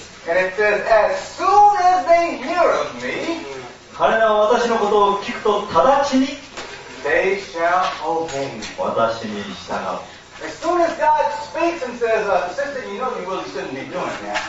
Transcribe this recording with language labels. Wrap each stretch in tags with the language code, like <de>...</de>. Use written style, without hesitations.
<en>And it says, as soon as they hear of me,</en> <ja>彼らは私のことを聞くと直ちに、</ja> <en>they shall obey me.</en> <ja>私に従う。</ja> <en>As soon as God speaks and says, sister, you know you really shouldn't be doing that.</en>